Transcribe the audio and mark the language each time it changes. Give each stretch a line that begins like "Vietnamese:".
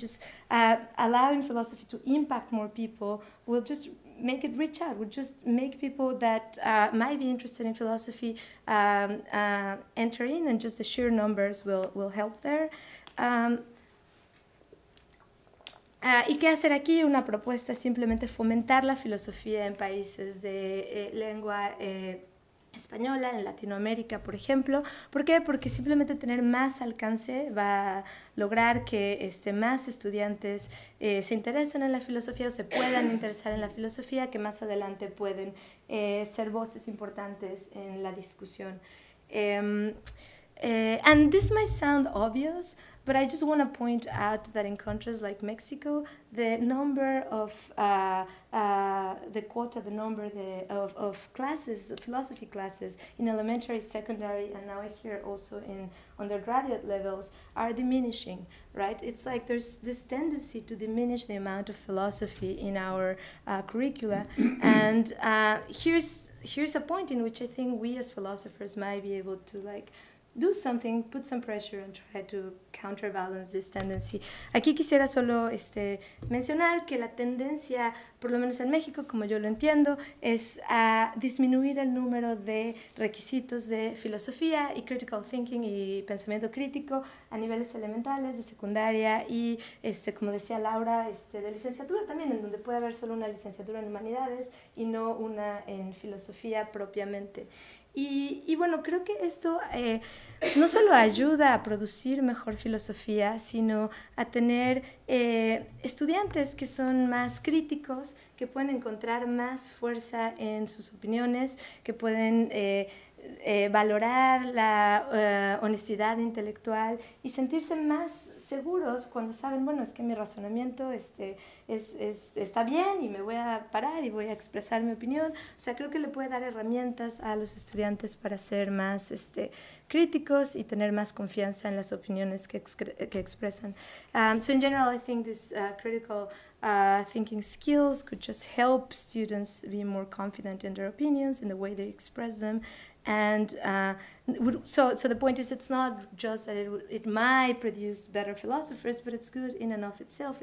English: Just allowing philosophy to impact more people will just make it reach out, would just make people that might be interested in philosophy enter in, and just the sheer numbers will help there.
Spanish: ¿Y qué hacer aquí? Una propuesta, simplemente fomentar la filosofía en países de lengua española, en Latinoamérica, por ejemplo. ¿Por qué? Porque simplemente tener más alcance va a lograr que más estudiantes se interesen en la filosofía o se puedan interesar en la filosofía, que más adelante pueden ser voces importantes en la discusión.
English: And this might sound obvious, but I just want to point out that in countries like Mexico, the number of the classes, philosophy classes in elementary, secondary, and now I hear also in undergraduate levels are diminishing, right? It's like there's this tendency to diminish the amount of philosophy in our curricula. And here's a point in which I think we as philosophers might be able to like do something, put some pressure and try to counterbalance this tendency.
Spanish: Aquí quisiera solo mencionar que la tendencia, por lo menos en México, como yo lo entiendo, es a disminuir el número de requisitos de filosofía y critical thinking y pensamiento crítico a niveles elementales, de secundaria y, como decía Laura, de licenciatura también, en donde puede haber solo una licenciatura en humanidades y no una en filosofía propiamente. Y bueno, creo que esto no solo ayuda a producir mejor filosofía, sino a tener estudiantes que son más críticos, que pueden encontrar más fuerza en sus opiniones, que pueden valorar la honestidad intelectual y sentirse más seguros cuando saben, bueno, es que mi razonamiento está bien y me voy a parar y voy a expresar mi opinión. O sea, creo que le puede dar herramientas a los estudiantes para ser más críticos y tener más confianza en las opiniones que expresan.
English: So in general, I think this critical thinking skills could just help students be more confident in their opinions, in the way they express them. And so the point is, it's not just that it might produce better philosophers, but it's good in and of itself.